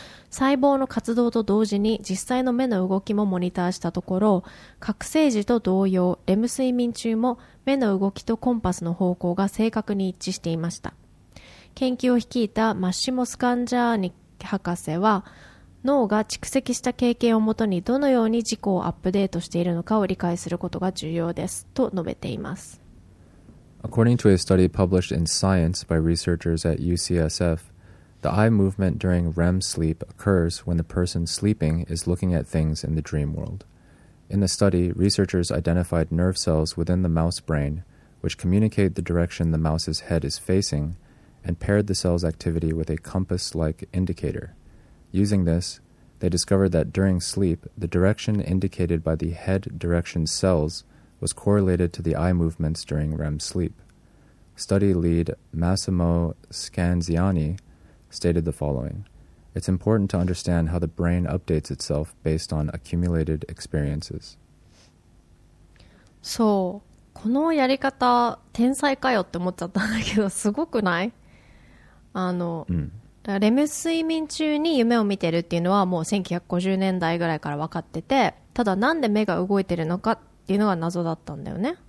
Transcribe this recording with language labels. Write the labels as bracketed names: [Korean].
[Japanese] 細胞の活動と同時に実際の目の動きもモニターしたところ、覚醒時と同様、レム睡眠中も目の動きとコンパスの方向が正確に一致していました。研究を率いたマッシモ・スカンジャーニ博士は、脳が蓄積した経験をもとにどのように自己をアップデートしているのかを理解することが重要ですと述べています。 [English] According to a study published in Science by researchers at UCSFThe eye movement during REM sleep occurs when the person sleeping is looking at things in the dream world. In the study, researchers identified nerve cells within the mouse brain, which communicate the direction the mouse's head is facing, and paired the cell's activity with a compass-like indicator. Using this, they discovered that during sleep, the direction indicated by the head direction cells was correlated to the eye movements during REM sleep. Study lead Massimo Scanziani,stated the following: It's important to understand how the brain updates itself based on accumulated experiences. [Japanese] そう、このやり方天才かよって思っちゃったんだけど、すごくない？レム睡眠中に夢を見てるっていうのはもう1950年代ぐらいから分かってて、ただなんで目が動いてるのかっていうのが謎だったんだよね。